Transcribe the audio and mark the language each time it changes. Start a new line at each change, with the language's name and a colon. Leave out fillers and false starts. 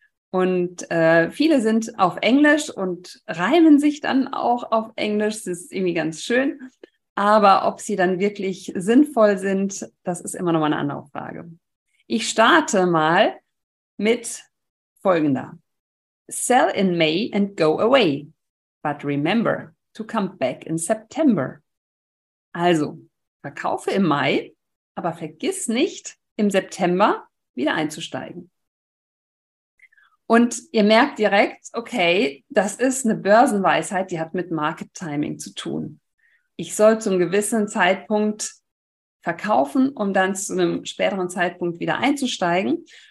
German: Und viele sind auf Englisch und reimen sich dann auch auf Englisch. Das ist irgendwie ganz schön. Aber ob sie dann wirklich sinnvoll sind, das ist immer noch mal eine andere Frage. Ich starte mal mit folgender.
English: Sell in May and go away. But remember to come back in September.
German: Also, verkaufe im Mai, aber vergiss nicht, im September wieder einzusteigen. Und ihr merkt direkt, okay, das ist eine Börsenweisheit, die hat mit Market Timing zu tun. Ich soll zum gewissen Zeitpunkt verkaufen, um dann zu einem späteren Zeitpunkt wieder einzusteigen.